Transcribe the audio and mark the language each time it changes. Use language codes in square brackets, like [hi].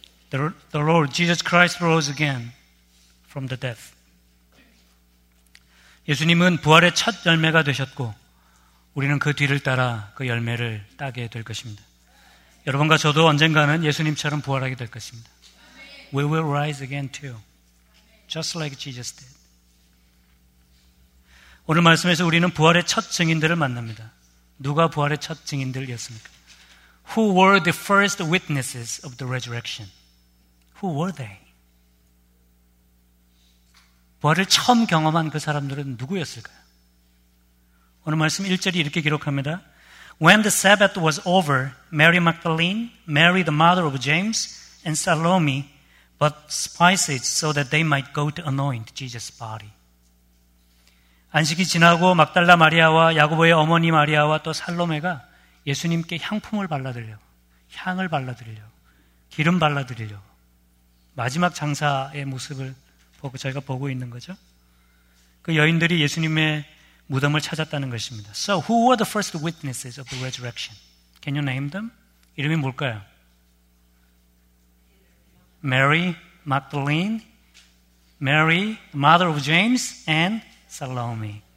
[en] The Lord, Jesus Christ rose again from the death. [ko] 예수님은 부활의 첫 열매가 되셨고 우리는 그 뒤를 따라 그 열매를 따게 될 것입니다. 여러분과 저도 언젠가는 예수님처럼 부활하게 될 것입니다. [en] We will rise again too, just like Jesus did. [ko] 오늘 말씀에서 우리는 부활의 첫 증인들을 만납니다. 누가 부활의 첫 증인들이었습니까? [en] Who were the first witnesses of the resurrection? Who were they? [ko] 부활을 처음 경험한 그 사람들은 누구였을까요? 오늘 말씀 1절이 이렇게 기록합니다. [en] When the Sabbath was over, Mary Magdalene, Mary the mother of James, and Salome bought spices so that they might go to anoint Jesus' body. [ko] 안식이 지나고 막달라 마리아와 야고보의 어머니 마리아와 또 살로메가 예수님께 향품을 발라드리려고, 향을 발라드리려고, 기름 발라드리려고 마지막 장사의 모습을 보고 저희가 보고 있는 거죠. 그 여인들이 예수님의 무덤을 찾았다는 것입니다. [en] So who were the first witnesses of the resurrection? Can you name them? [ko] 이름이 뭘까요? [en] Mary Magdalene, Mary, mother of James, and Salome.